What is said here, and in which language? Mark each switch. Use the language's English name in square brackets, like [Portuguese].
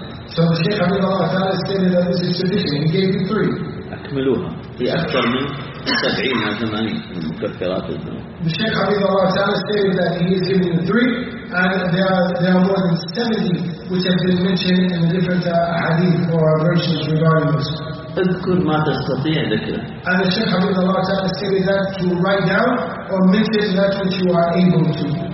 [English] So the Shaykh Abdullah ta'ala stated that this is sufficient. He gave you three. [Arabic] أكملوها هي أكثر من 70 أو 80 من مكفرات الذنوب. [English] The Shaykh Abdullah ta'ala stated that he is giving you three and there are more than 70 which have been mentioned in the different hadith or versions regarding this. [Arabic] اذكر ما تستطيع ذكره. [English] And the Shaykh Abdullah ta'ala stated that to write down or mention that which you are able to.